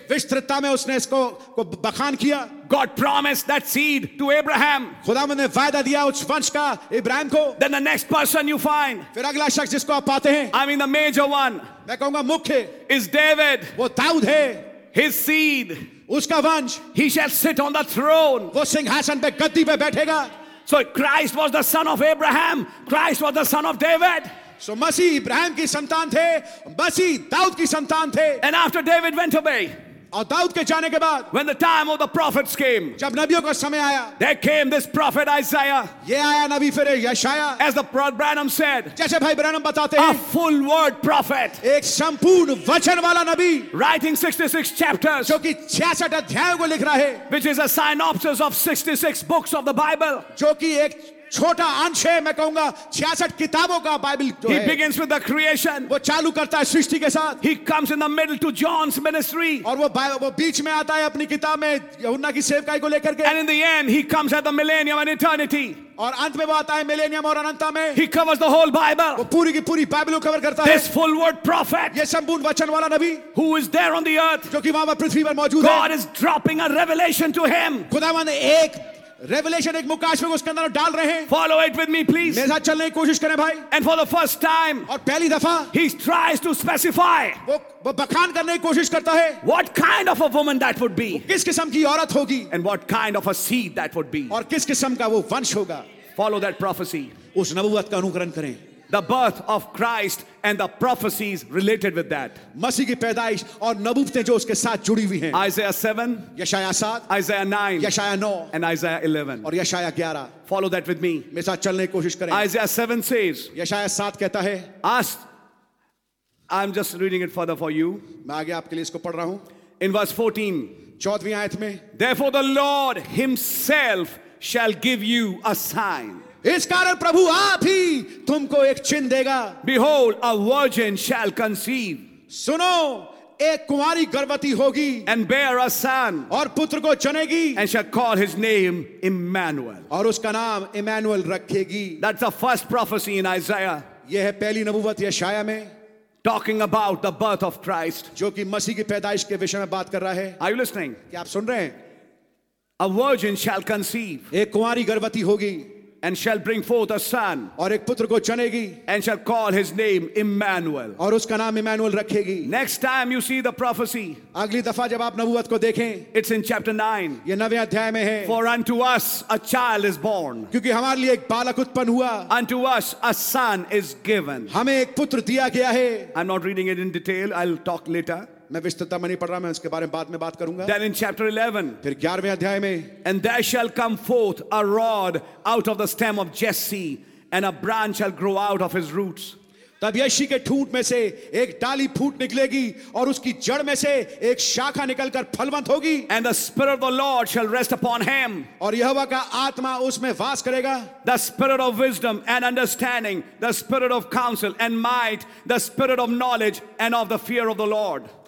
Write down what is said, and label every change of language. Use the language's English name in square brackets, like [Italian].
[Hindi] विस्तृतता में उसने इसको को बखान किया. [English] God promised that seed to Abraham, [Hindi] खुदावन ने वायदा दिया उस वंश का इब्राहिम को. [English] Then the next person you find, [Hindi] फिर अगला शख्स जिसको आप पाते हैं, [English] I mean the major one, [Hindi] मैं कहूंगा मुख्य, [English] is David, [Hindi] वो दाऊद है. [English] His seed, [Hindi] उसका वंश, [English] he shall sit on the throne, [Hindi] वो सिंहासन पे गद्दी पे बैठेगा. [English] So Christ was the son of Abraham, Christ was the son of David. [Hindi] So, मसीह इब्राहिम की संतान थे, मसीह दाऊद की संतान थे. [English] And after David went away, [Hindi] और दाऊद के जाने के बाद [English] when the time of the prophets came [Hindi] जब नबियों का समय आया [English] there came this prophet Isaiah [Hindi] ये आया नबी फिर यशाया [English] as the prophet Branham said [Hindi] जैसे भाई ब्रैनम बताते हैं [English] a full word prophet [Hindi] एक संपूर्ण वचन वाला नबी [English] writing 66 chapters [Hindi] जो कि 66 अध्यायों को लिख रहा है [English] which is a synopsis of 66 books of the Bible [Hindi] जो कि एक छोटा अंश है मैं कहूंगा 66 किताबों का बाइबल जो है [English] He begins with the creation [Hindi] वो चालू करता है सृष्टि के साथ [English] He comes in the middle to John's ministry [Hindi] और वो बीच में आता है अपनी किताब में यूहन्ना की सेवकाई को लेकर के [English] And in the end he comes at the millennium and eternity [Hindi] और अंत में वो आता है मिलेनियम और अनंत में [English] He covers the whole Bible [Hindi] वो पूरी की पूरी बाइबल को कवर करता है [English] This full word prophet [Hindi] ये संपूर्ण वचन वाला नबी [English] Who is there on the earth [Hindi] जो कि वहां पर पृथ्वी पर मौजूद है [English] God is dropping a revelation to him [Hindi] खुदावंद एक Revelation एक मुकाशवे को उसके अंदर डाल रहे हैं [English] Follow it with me please [Hindi] मेरे साथ चलने की कोशिश करें भाई [English] And for the first time [Hindi] और पहली दफा [English] He tries to specify [Hindi] वो बखान करने की कोशिश करता है [English] What kind of a woman that would be [Hindi] किस किस्म की औरत होगी [English] And what kind of a seed that would be [Hindi] और किस किस्म का वो वंश होगा [English] Follow that prophecy [Hindi] उस नबुवत का अनुकरण करें [English] The birth of Christ and the prophecies related with that. [Hindi] मसीह की पैदाइश और नबूवतें जो उसके साथ जुड़ी हुई हैं. [English] Isaiah 7, [Hindi] यशाया 7, [English] Isaiah 9, [Hindi] यशाया 9, [English] and Isaiah 11, [Hindi] और यशाया 11. [English] Follow that with me. [Hindi] मेरे साथ चलने की कोशिश करें. [English] Isaiah 7 says, [Hindi] यशाया 7 कहता है. [English] Ask, I'm just reading it further for you. [Hindi] मैं आगे आपके लिए इसको पढ़ रहा हूँ. [English] In verse 14, [Hindi] चौदहवीं आयत में. [English] Therefore the Lord Himself shall give you a sign. [Hindi] इस कारण प्रभु आप ही तुमको एक चिन्ह देगा [English] Behold, a virgin shall conceive. [Hindi] सुनो एक कुमारी गर्भवती होगी [English] And bear a son. [Hindi] और पुत्र को जनेगी [English] And shall call his name Emmanuel. [Hindi] और उसका नाम इमैनुअल रखेगी [English] That's the first prophecy in Isaiah. [Hindi] यह है पहली नबुवत यशाया में [English] Talking about the birth of Christ. [Hindi] जो कि मसीह की पैदाइश के विषय में बात कर रहा है [English] Are you listening? [Hindi] क्या आप सुन रहे हैं [English] A virgin shall conceive. [Hindi] एक कुमारी गर्भवती होगी [English] And shall bring forth a son. [Hindi] और एक पुत्र को जनेगी. [English] And shall call his name Emmanuel. [Hindi] और उसका नाम इमैनुअल रखेगी. [English] Next time you see the prophecy. [Hindi] अगली दफा जब आप नबुवत को देखें. [English] It's in chapter 9. [Hindi] ये नवे अध्याय में है. [English] For unto us a child is born. [Hindi] क्योंकि हमारे लिए एक बालक उत्पन्न हुआ. [English] Unto us a son is given. [Hindi] हमें एक पुत्र दिया गया है. [English] I'm not reading it in detail. I'll talk later. [Hindi] मैं विस्तृत में नहीं पढ़ रहा मैं उसके बारे में बाद में बात करूंगा [English] Then in chapter 11, [Hindi] फिर 11वें अध्याय में [English] And there shall come forth a rod out of the stem of Jesse and a branch shall grow out of his roots [Hindi] तब यशी के ठूंट में से एक डाली फूट निकलेगी और उसकी जड़ में से एक शाखा निकलकर फलवंत होगी [English] And the spirit of the Lord shall rest upon him [Hindi] और यहोवा का आत्मा उसमें वास करेगा [English] The spirit of wisdom and understanding the spirit of counsel and might the spirit of knowledge and of the fear of the Lord